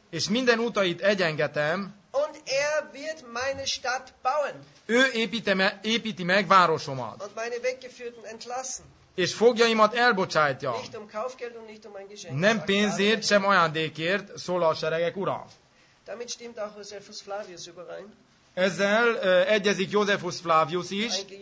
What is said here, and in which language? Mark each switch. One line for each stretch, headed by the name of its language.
Hungarian: és minden utait egyengetem,
German: und er wird meine Stadt bauen,
Hungarian: ő építi meg városomat,
German: und meine Weggeführten entlassen,
Hungarian: és fogjaimat elbocsátja,
German: nicht um Kaufgeld und nicht um mein Geschenk,
Hungarian: nem pénzért, sem ajándékért, szól a seregek ura.
German: Damit stimmt auch Josephus Flavius überein.
Hungarian: Ezzel egyezik Josephus Flavius is,